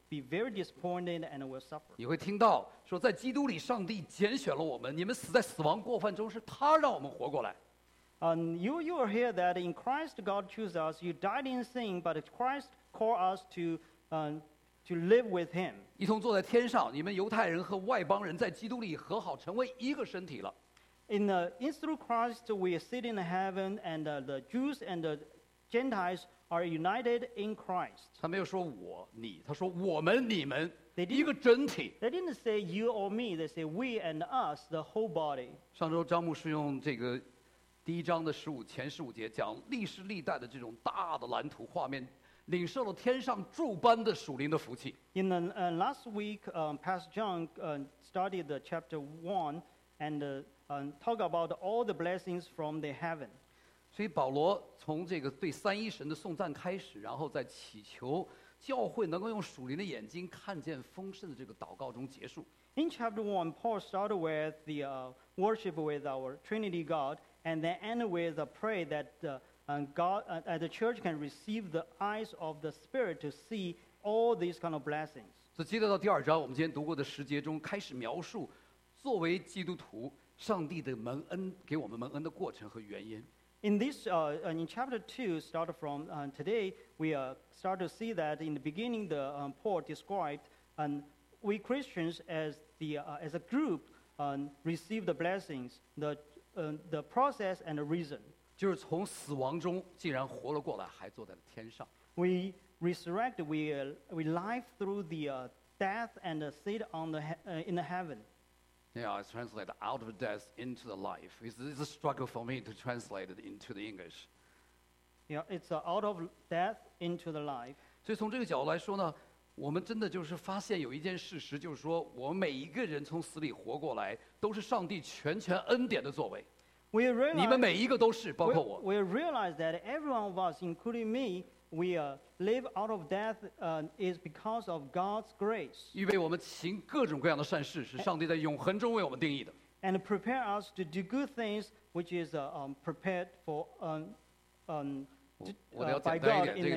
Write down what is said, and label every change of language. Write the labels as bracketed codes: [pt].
[en] Be very disappointed and will suffer. [zh] 你会听到说，在基督里，上帝拣选了我们。你们死在死亡过犯中，是他让我们活过来。 [en] You will hear that in Christ, God chose us. You died in sin, but Christ called us to live with Him. [zh] 一同坐在天上，你们犹太人和外邦人在基督里和好，成为一个身体了。 [en] In through Christ, we sit in heaven, and the Jews and the Gentiles. Are united in Christ. [zh] 他没有说我你，他说我们你们 [en] they [zh] 一个整体。 [en] They didn't say you or me. They say we and us, the whole body. [zh] 上周张牧师用这个第一章的前十五节讲历史历代的这种大的蓝图画面，领受了天上诸般的属灵的福气。 [en] In the last week, Pastor John studied the chapter one and talk about all the blessings from the heaven. [zh] 所以保罗从这个对三一神的颂赞开始，然后在祈求教会能够用属灵的眼睛看见丰盛的这个祷告中结束。 [en] In chapter one, Paul started with the worship with our Trinity God, and then ended with a prayer that the church can receive the eyes of the Spirit to see all these kind of blessings. [zh] 所以接着到第二章，我们今天读过的十节中，开始描述作为基督徒，上帝的蒙恩给我们蒙恩的过程和原因。 [en] In this, in chapter 2, start from today, we start to see that in the beginning, the Paul described we Christians as as a group receive the blessings, the process and the reason. [zh] 就是从死亡中竟然活了过来，还坐在了天上。 [en] We resurrect, we live through the death and sit on the in the heaven. Yeah, I translate out of death into the life. It's a struggle for me to translate it into the English. Yeah, it's out of death into the life. [zh] 所以从这个角度来说呢，我们真的就是发现有一件事实，就是说我们每一个人从死里活过来，都是上帝全权恩典的作为。 [en] We realize [zh] 你们每一个都是，包括我。 [en] We realize that every one of us, including me. We live out of death is because of God's grace. [zh] 预备我们行各种各样的善事，是上帝在永恒中为我们定义的。 [en] And prepare us to do good things, which is prepared for by God in the eternal.